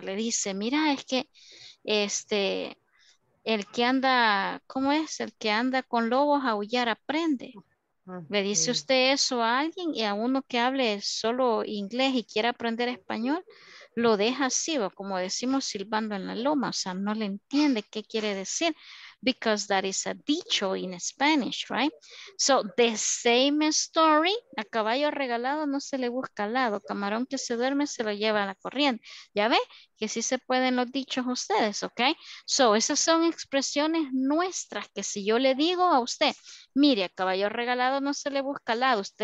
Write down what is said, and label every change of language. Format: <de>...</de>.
<es>Le dice, mira, es que el que anda, ¿cómo es? El que anda con lobos a aullar aprende. ¿Le dice usted eso a alguien y a uno que hable solo inglés y quiera aprender español? Lo deja así, ¿o? Como decimos, silbando en la loma. O sea, no le entiende qué quiere decir.</es> <en>Because that is a dicho in Spanish, right? So, the same story.</en> <es>A caballo regalado no se le busca lado. Camarón que se duerme se lo lleva a la corriente. ¿Ya ve? Que sí se pueden los dichos ustedes, ¿ok? So, esas son expresiones nuestras que si yo le digo a usted, mire, a caballo regalado no se le busca lado.</es>